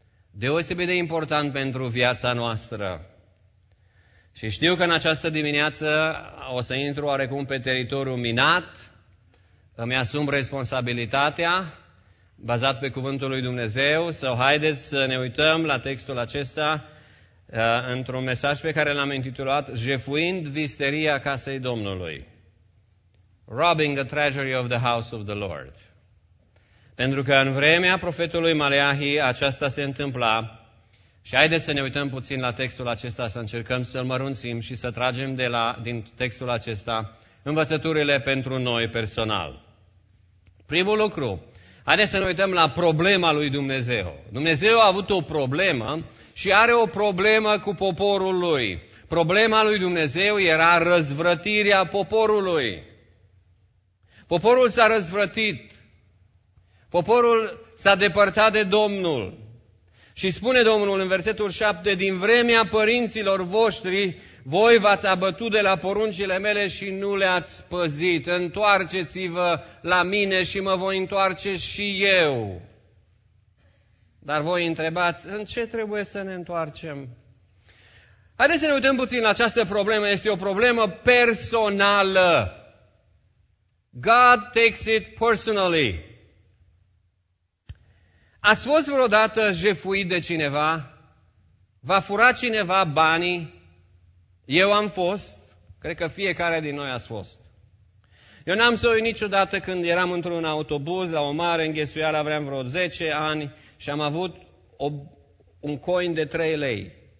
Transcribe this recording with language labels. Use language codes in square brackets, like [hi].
[ro] Deosebit de important pentru viața noastră. Și știu că în această dimineață o să intru oarecum pe teritoriu minat, îmi asum responsabilitatea, bazat pe cuvântul lui Dumnezeu, sau haideți să ne uităm la textul acesta într-un mesaj pe care l-am intitulat Jefuind visteria casei Domnului. [en] Robbing the treasury of the house of the Lord. [ro] Pentru că în vremea profetului Maleahii aceasta se întâmpla și haideți să ne uităm puțin la textul acesta, să încercăm să-l mărunțim și să tragem din textul acesta învățăturile pentru noi personal. Primul lucru, haideți să ne uităm la problema lui Dumnezeu. Dumnezeu a avut o problemă și are o problemă cu poporul lui. Problema lui Dumnezeu era răzvrătirea poporului. Poporul s-a răzvrătit. Poporul s-a depărtat de Domnul Și spune Domnul în versetul 7, din vremea părinților voștri, voi v-ați abătut de la poruncile mele și nu le-ați păzit. Întoarceți-vă la mine și mă voi întoarce și eu. Dar voi întrebați, în ce trebuie să ne întoarcem? Haideți să ne uităm puțin la această problemă. Este o problemă personală. [en] God takes it personally. [ro] Ați fost vreodată jefuit de cineva? V-a furat cineva banii? Eu am fost, cred că fiecare din noi a fost. Eu n-am să uit niciodată când eram într-un autobuz la o mare înghesuială, aveam vreo 10 ani și am avut un coin de 3 lei.